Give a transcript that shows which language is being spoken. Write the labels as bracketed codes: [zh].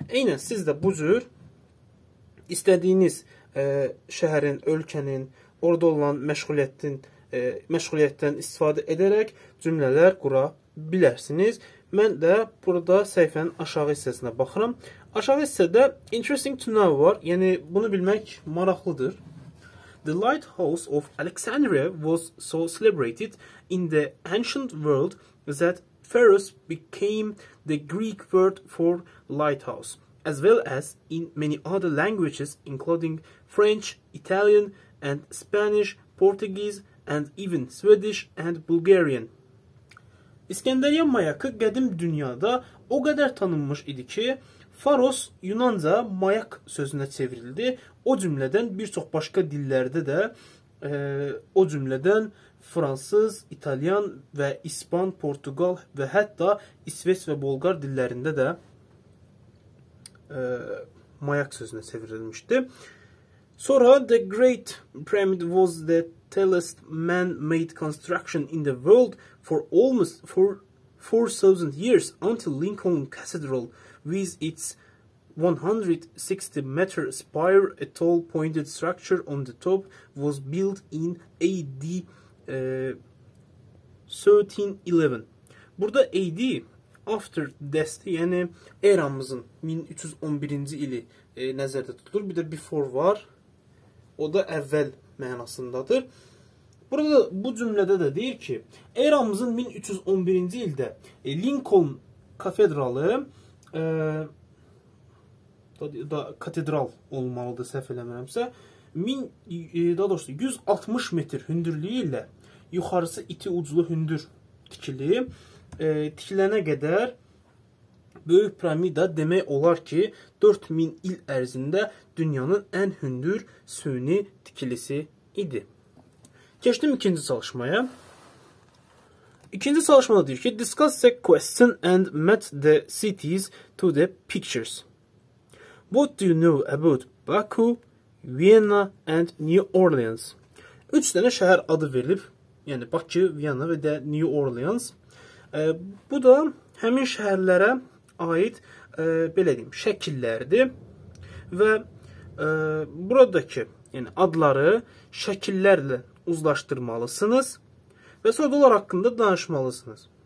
[az] Eynən, siz də bu cür istədiyiniz şəhərin, ölkənin, orada olan məşğuliyyətdən istifadə edərək cümlələr qura bilərsiniz. Mən də burada səhifənin aşağı hissəsində baxıram. Aşağı hissədə [en] interesting to know [az] var. Yəni, bunu bilmək maraqlıdır. [en] The lighthouse of Alexandria was so celebrated in the ancient world that Pharos became the Greek word for lighthouse, as well as in many other languages, including French, Italian and Spanish, Portuguese and even Swedish and Bulgarian. [az] İskəndəriyyə mayakı qədim dünyada o qədər tanınmış idi ki, Faros Yunanca mayak sözünə çevrildi. O cümlədən bir çox başqa dillərdə də o cümlədən fransız, italyan və ispan, portugal və hətta İsveç və bolqar dillərində də mayak sözünə çevrilmişdi. Sonra [en] the great pyramid was the tallest man-made construction in the world for almost 4,000 years until Lincoln Cathedral with its 160-meter spire, a tall pointed structure on the top, was built in AD 1311. [az] Burada AD, [en] after death, [az] yəni eramızın 1311-ci ili nəzərdə tutulur. Bir də before var, o da əvvəl mənasındadır. Burada bu cümlədə də deyir ki, eramızın 1311-ci ildə Lincoln Kafedralı da katedral olmalıdır, səhv eləmirəmsə, 160 metr hündürlüyü ilə yuxarısı iti uclu hündür tikili. Tikilənə qədər böyük piramida demək olar ki, 4000 il ərzində dünyanın ən hündür süni tikilisi idi. Keçdim ikinci çalışmaya. İkinci çalışmada deyir ki, [en] discuss a question and match the cities to the pictures. What do you know about Baku, Vienna and New Orleans? [az] 3 tane şehir adı verilib. Yəni Bakı, Viyana və də New Orleans. Bu da həmin şəhərlərə aid belə deyim, şəkillərdir. Və buradakı yəni adları şəkillərlə uzlaşdırmalısınız və sonra onlar haqqında danışmalısınız.